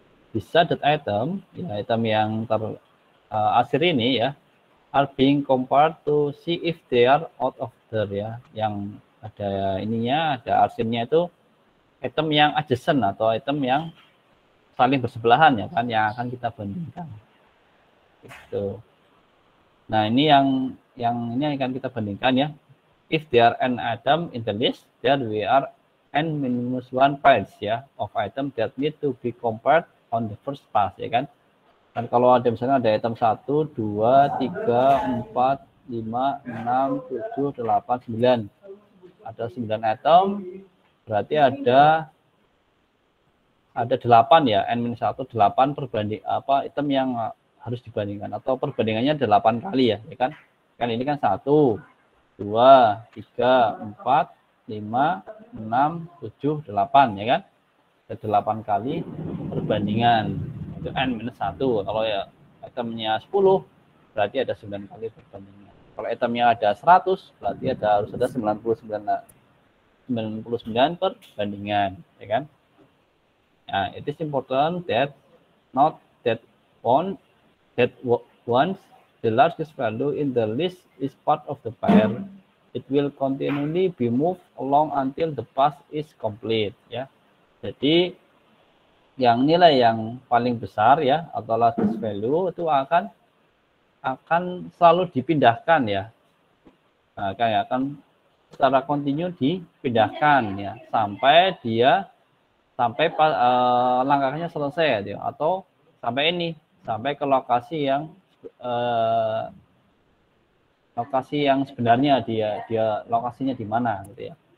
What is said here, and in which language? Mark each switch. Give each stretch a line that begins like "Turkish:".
Indonesian: Bisa
English: that item,
Indonesian: ya, item yang terakhir ini ya,
English: are being compared to see if they are out of order
Indonesian: ya, yang ada ininya, ada arsipnya itu item yang adjacent atau item yang saling bersebelahan ya kan, yang akan kita bandingkan. Itu. Nah, ini yang ini akan kita bandingkan ya.
English: If there are n item in the list, there are n minus one pairs ya of item that need to be compared on the first pass ya kan.
Indonesian: Dan kalau ada misalnya ada item 1 2 3 4 5 6 7 8 9. Ada 9 item, berarti ada 8 ya, n minus 1 8 perbanding apa item yang harus dibandingkan, atau perbandingannya 8 kali ya, ya kan? Kan ini kan 1 2, 3, 4, 5, 6, 7, 8 ya kan. Ada 8 kali perbandingan. Itu n minus 1. Kalau ya itemnya 10 berarti ada 9 kali perbandingan. Kalau itemnya ada 100 berarti ada harus ada 99 perbandingan ya kan.
English: Nah, it is important that not that one that once the largest value in the list is part of the pair, it will continually be moved along until the path is complete ya.
Indonesian: Jadi yang nilai yang paling besar ya atau largest value itu akan selalu dipindahkan ya. Nah, kayak akan secara kontinu dipindahkan ya sampai langkahnya selesai ya, atau sampai ke lokasi yang sebenarnya dia lokasinya di mana gitu ya.